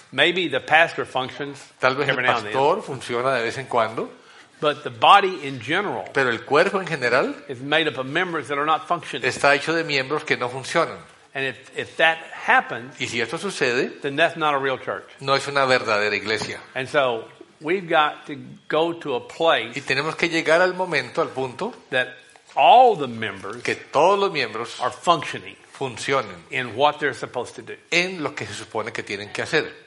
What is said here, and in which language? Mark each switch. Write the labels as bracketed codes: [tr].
[en] maybe the pastor functions, [es] tal vez el pastor funciona de vez en cuando. [en] But the body in general, [es] pero el cuerpo en general, [en] is made up of members that are not functioning. [es] Está hecho de miembros que no funcionan. [en] And if that happens, [es] y si esto sucede, [en] then that's not a real church. [es] No es una verdadera iglesia. [en] And so we've got to go to a place. [es] Y tenemos que llegar al momento, al punto, [en] that all the members, [es] que todos los miembros, [en] are functioning, [es] funcionen, [en] in what they're supposed to do, [es] en lo que se supone que tienen que hacer.